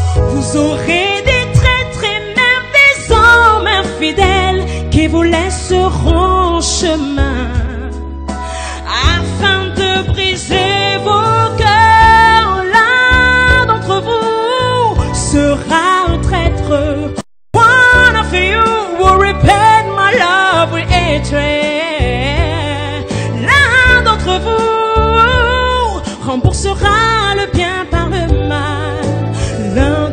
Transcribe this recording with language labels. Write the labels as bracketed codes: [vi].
[fr] Vous aurez des traîtres et même des hommes infidèles qui vous laisseront en chemin afin de briser vos cœurs. L'un d'entre vous sera un traître. [en] One of you will repent my love with hatred. [fr] L'un d'entre vous remboursera le bien par le mal.